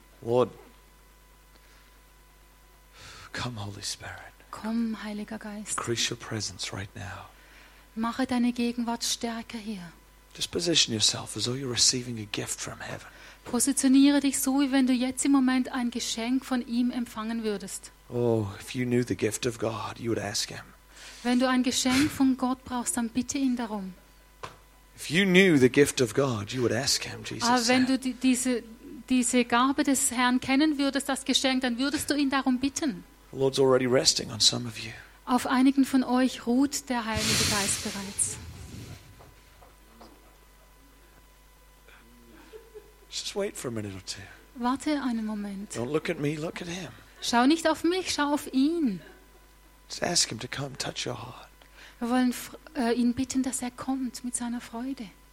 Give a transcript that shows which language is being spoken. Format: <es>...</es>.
<en>Lord, come, Holy Spirit.</en> <de>Komm, Heiliger Geist.</de> <en>Increase your presence right now.</en> <de>Mache deine Gegenwart stärker hier.</de> <en>Just position yourself as though you're receiving a gift from heaven.</en> <de>Positioniere dich so, wie wenn du jetzt im Moment ein Geschenk von ihm empfangen würdest.</de> <en>Oh, if you knew the gift of God, you would ask him.</en> <de>Wenn du ein Geschenk von Gott brauchst, dann bitte ihn darum.</de> <en>If you knew the gift of God, you would ask him, Jesus said.</en> <de>Aber wenn du diese Gabe des Herrn kennen würdest, das Geschenk, dann würdest du ihn darum bitten.</de> <en>The Lord's already resting on some of you.</en> <de>Auf einigen von euch ruht der Heilige Geist bereits.</de> <en>Just wait for a minute or two.</en> <de>Warte einen Moment.</de> <en>Don't look at me, look at him.</en> <de>Schau nicht auf mich, schau auf ihn.</de> <en>Just ask him to come touch your heart.</en> <de>Wir wollen ihn bitten, dass er kommt mit seiner Freude.</de>